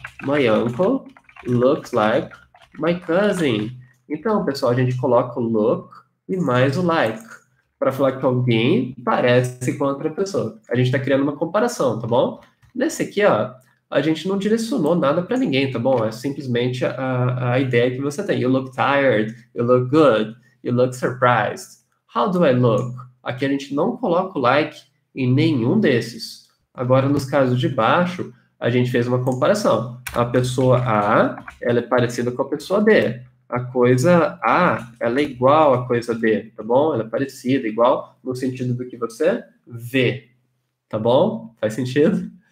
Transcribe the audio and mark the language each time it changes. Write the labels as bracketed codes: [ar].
[en] My uncle looks like my cousin. [pt] Então, pessoal, a gente coloca o look e mais o like para falar que alguém parece com outra pessoa. A gente está criando uma comparação, tá bom? Nesse aqui, ó, a gente não direcionou nada para ninguém, tá bom? É simplesmente a ideia que você tem. [en] You look tired, you look good, you look surprised. How do I look? [pt] Aqui a gente não coloca o like em nenhum desses. Agora, nos casos de baixo, a gente fez uma comparação. A pessoa A, ela é parecida com a pessoa B. A coisa A, ela é igual à coisa B, tá bom? Ela é parecida, igual, no sentido do que você vê, tá bom? Faz sentido?